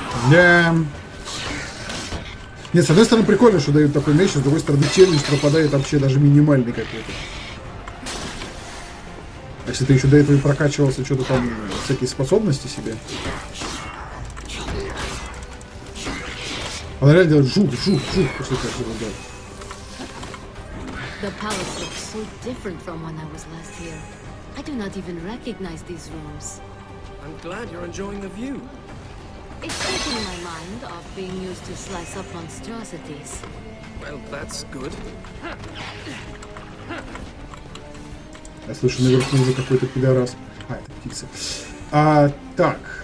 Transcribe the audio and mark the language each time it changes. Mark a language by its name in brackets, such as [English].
[Russian] Да. Нет, с одной стороны, прикольно, что дают такой меч, с другой стороны, челлендж пропадает вообще даже минимальный какой-то. А если ты еще до этого и прокачивался, что-то там, всякие способности себе. Она реально делает жук после этого, да. [English] The palace looks so different from when I was last here. I do not even recognize these rooms. I'm glad you're enjoying the view. It's taking my mind off being used to slice up monstrosities. Well, that's good. [Russian] Я слышу наверху уже какой-то пидорас. А, это птица. А, так.